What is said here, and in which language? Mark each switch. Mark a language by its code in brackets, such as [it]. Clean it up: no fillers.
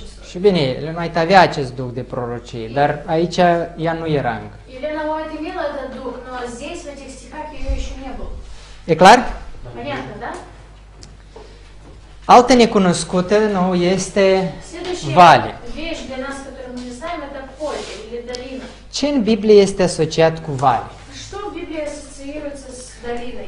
[ro] Și bine, Elena White avea acest duh de prorocie, dar aici ea nu era încă. [ru] Elena White [ro] avea acest duh, [ru] но здесь, в этих стихах, ее еще не было. [ro] E clar? [ru] Понятно, да? [ro] Altă necunoscută, nu, este vale. [ru] Следующая вещь для нас, которую мы не знаем, это поле или долина. [ro] Ce în Biblie este asociat cu vale? [ru] Что в Библии ассоциируется с долиной?